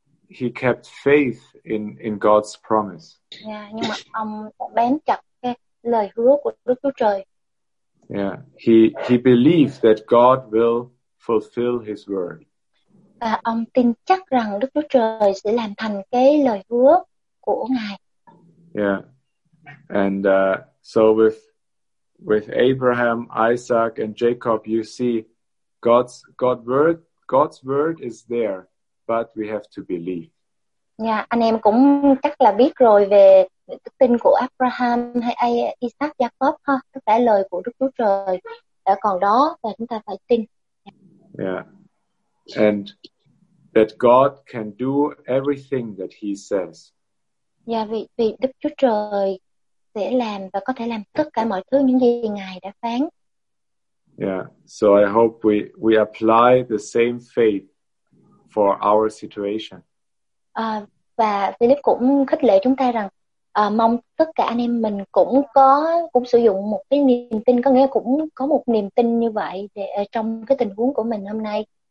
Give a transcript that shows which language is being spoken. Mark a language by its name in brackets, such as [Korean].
[English] He kept faith in God's promise. [Vietnamese] Yeah, nhưng mà ông bám chặt cái lời hứa của Đức Chúa Trời. [English] Yeah, he believed that God will fulfill his word. [Vietnamese] Và ông tin chắc rằng Đức Chúa Trời sẽ làm thành cái lời hứa của Ngài. [English] Yeah. And so with Abraham, Isaac and Jacob, you see God's word is there, but we have to believe. [Vietnamese] Yeah, anh em cũng chắc là biết rồi về đức tin của Abraham hay Isaac, Jacob ha, tất cả lời của Đức Chúa Trời đã còn đó và chúng ta phải tin. [English] Yeah. And that God can do everything that he says. [Vietnamese] Yeah, vì Đức Chúa Trời sẽ làm và có thể làm tất cả mọi thứ những gì Ngài đã phán. [English] Yeah, so I hope we apply the same faith for our situation. [Vietnamese] Và Philip cũng khích lệ chúng ta rằng mong tất cả anh em mình cũng sử dụng một cái niềm tin, có nghĩa cũng có một niềm tin như vậy để, trong cái tình huống của mình hôm nay.